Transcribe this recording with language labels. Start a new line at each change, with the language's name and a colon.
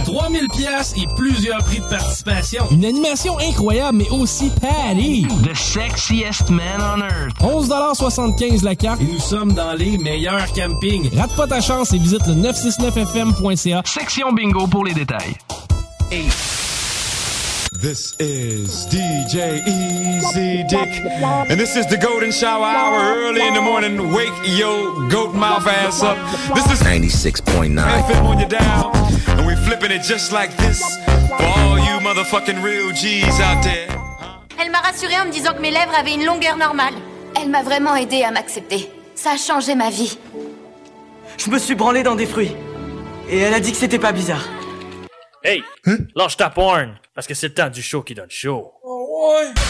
French: 3000 piastres et plusieurs prix de participation. Une animation incroyable, mais aussi Patty.
English: The sexiest man on earth.
French: 11,75 $ la carte. Et nous sommes dans les meilleurs campings. Rate pas ta chance et visite le 969FM.ca. Section bingo pour les détails. Hey.
English: This is DJ Easy Dick, and this is the golden shower hour early in the morning. Wake your goat mouth ass up. This is 96.9 FM on your dial, and we're flipping it just like this for all you motherfucking real G's out there.
French: Elle m'a rassurée en me disant que mes lèvres avaient une longueur normale. Elle m'a vraiment aidée à m'accepter. Ça a changé ma vie. Je me suis branlée dans des fruits, et elle a dit que c'était pas bizarre. Hey, lâche ta porn, parce que c'est le temps du show qui donne show. Oh, ouais.